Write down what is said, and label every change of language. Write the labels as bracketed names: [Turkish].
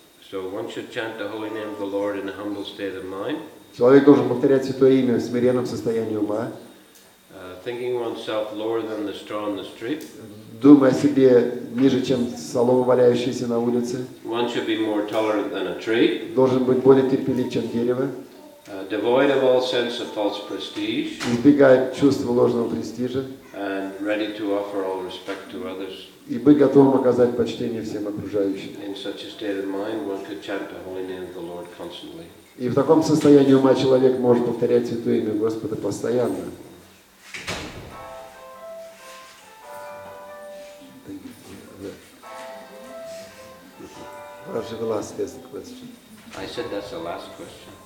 [English] So one should chant the holy name of the Lord in a humble state of mind. [Russian] Человек должен повторять святое имя в смиренном состоянии ума. [English] Thinking oneself lower than the straw on the street. [Russian] Думая о себе ниже, чем солома, валяющаяся на улице. [English] One should be more tolerant than a tree. [Russian] Должен быть более терпелив, чем дерево. [English] Devoid of all sense of false prestige. [Russian] Избегая чувства ложного престижа. [English] And ready to offer all respect to others. [Russian] И быть готовым оказать почтение всем окружающим. [English] In such a state of mind, one could chant the holy name of the Lord constantly. [Russian] И в таком состоянии ума человек может повторять святое имя Господа постоянно. [English] Раджи Вилас, yes, the question. I said that's the last question.